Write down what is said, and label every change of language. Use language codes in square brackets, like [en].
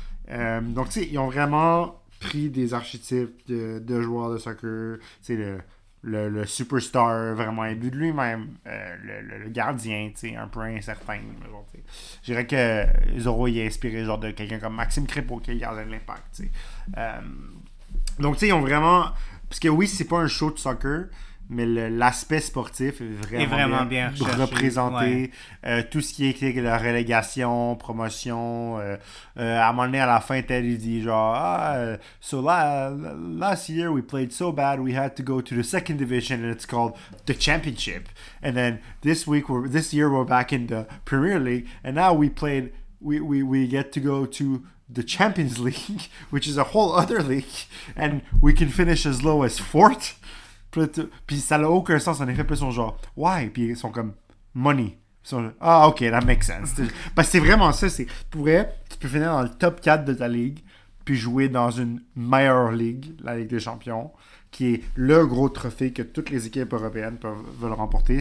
[fr] Donc, tu sais, ils ont vraiment pris des archétypes de joueurs de soccer, tu sais, le superstar vraiment imbu de lui-même, le gardien, tu sais, un peu incertain. Je dirais que Zorro y a inspiré genre de quelqu'un comme Maxime Crépeau qui est le gardien de l'Impact, tu sais. Donc, tu sais, ils ont vraiment... Parce que oui, c'est pas un show de soccer, mais l'aspect sportif est vraiment bien représenté. Ouais. [en] Tout ce qui est la relégation, promotion, à un moment donné, à la fin, Ted, il dit genre, last year we played so bad, we had to go to the second division and it's called the championship. And then this year we're back in the Premier League and now we get to go to the Champions League, which is a whole other league, and we can finish as low as fourth. [fr] Puis ça n'a aucun sens, en effet, plus son genre, why? Puis ils sont comme, money. Ah, ok, that makes sense. Parce que c'est vraiment ça, c'est, tu peux finir dans le top 4 de ta ligue, puis jouer dans une meilleure ligue, la Ligue des Champions, qui est le gros trophée que toutes les équipes européennes veulent remporter.